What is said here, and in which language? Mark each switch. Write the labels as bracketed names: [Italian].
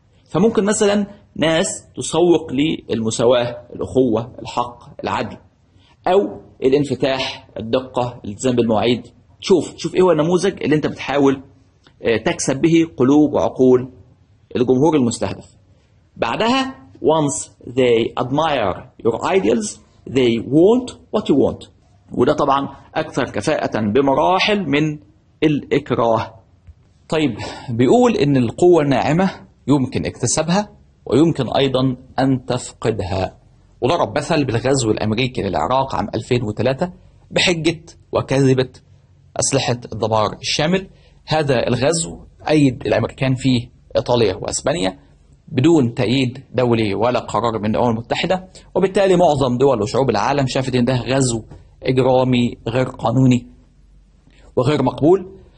[Arabic] فممكن مثلا ناس تسوق للمساواة، الأخوة، الحق، العدل، أو الانفتاح، الدقة، الالتزام بالمواعيد. شوف إيه هو النموذج اللي أنت بتحاول تكسب به قلوب وعقول الجمهور المستهدف. بعدها [English] once they admire your ideals they want what you want، [Arabic] وده طبعا أكثر كفاءة بمراحل من الإكراه. طيب، بيقول إن القوة الناعمة يمكن اكتسابها ويمكن أيضا أن تفقدها. وضرب مثل بالغزو الأمريكي للعراق عام 2003 بحجة وكذبة أسلحة الدمار الشامل. هذا الغزو أيد الأمريكان فيه إيطاليا وأسبانيا بدون تأييد دولي ولا قرار من الأمم المتحدة، وبالتالي معظم دول وشعوب العالم شافت أن ده غزو إجرامي غير قانوني وغير مقبول.